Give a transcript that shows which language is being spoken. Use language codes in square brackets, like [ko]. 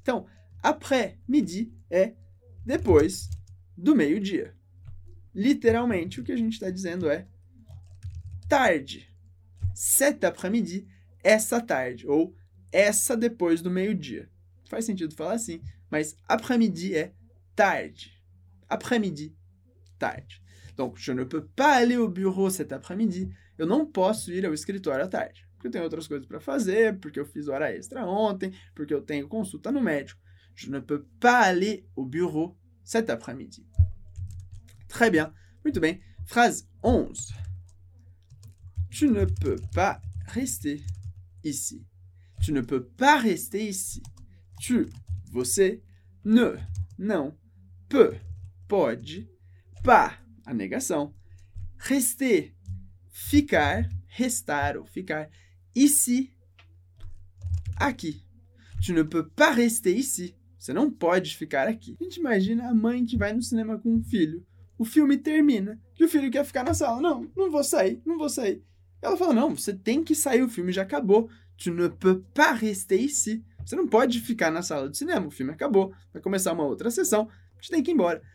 [pt] Então, après midi é depois do meio-dia. Literalmente, o que a gente está dizendo é tarde. Cet après-midi, essa tarde. Ou essa depois do meio-dia. Faz sentido falar assim, mas après-midi é tarde. Après-midi, tarde. [fr] Donc, je ne peux pas aller au bureau cet après-midi. [pt] Eu não posso ir ao escritório à tarde. Porque eu tenho outras coisas para fazer, porque eu fiz hora extra ontem, porque eu tenho consulta no médico. [fr] Je ne peux pas aller au bureau cet après-midi. Très bien. [pt] Muito bem. [fr] Phrase 11. Tu ne peux pas rester ici. Tu ne peux pas rester ici. [pt] Tu, você, ne, não, peut, pode, pas, a negação. Rester, ficar, restar ou ficar ici, aqui. [fr] Tu ne peux pas rester ici. [pt] Você não pode ficar aqui. A gente imagina a mãe que vai no cinema com o filho. O filme termina e o filho quer ficar na sala. Não, não vou sair, não vou sair. Ela fala, não, você tem que sair, o filme já acabou. [fr] Tu ne peux pas rester ici. [pt] Você não pode ficar na sala de cinema, o filme acabou. Vai começar uma outra sessão, você tem que ir embora.